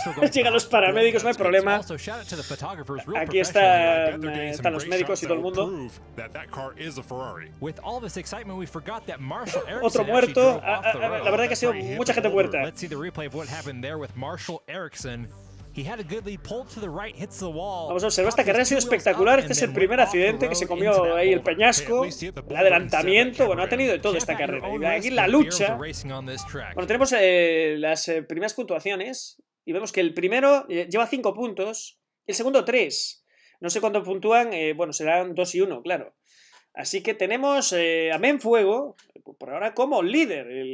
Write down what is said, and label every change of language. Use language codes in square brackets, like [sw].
[es] Llegan los paramédicos, no hay problema. Aquí están los médicos y todo el mundo. [en] That car is a Ferrari. With all this excitement, we forgot that Marshall Erickson. [es] Otro muerto. La verdad que ha sido mucha gente muerta. [en] Let's see the replay of what happened there with Marshall Erickson. He had a good lead, pulled to the right, hits the wall. [es] Vamos a observar, esta carrera ha sido espectacular. Este es el primer accidente que se comió ahí el peñasco. El adelantamiento, bueno, ha tenido de todo esta carrera. Y aquí la lucha. Bueno, tenemos las primeras puntuaciones y vemos que el primero lleva 5 puntos, el segundo 3. No sé cuánto puntúan, bueno, serán 2 y 1, claro. Así que tenemos a Menfuego, por ahora como líder.